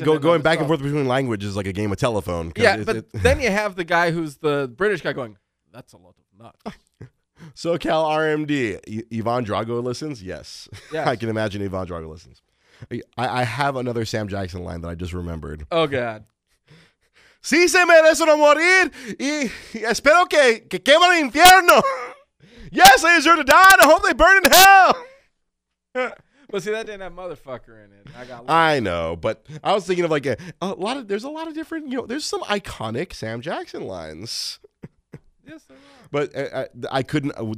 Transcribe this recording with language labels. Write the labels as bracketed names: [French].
[English] Like, going back and forth between languages is like a game of telephone. Yeah, then you have the guy who's the British guy going, that's a lot of nuts. SoCal RMD, Ivan Drago listens? Yes. I can imagine Ivan Drago listens. I have another Sam Jackson line that I just remembered. Oh, God. [Spanish] Si se merecen a morir y espero que quemen el infierno. [English] Yes, they deserve to die and I hope they burn in hell. But see, that didn't have motherfucker in it. I know, but I was thinking of like a lot of, there's a lot of different, you know, there's some iconic Sam Jackson lines. Yes, there are. But I couldn't.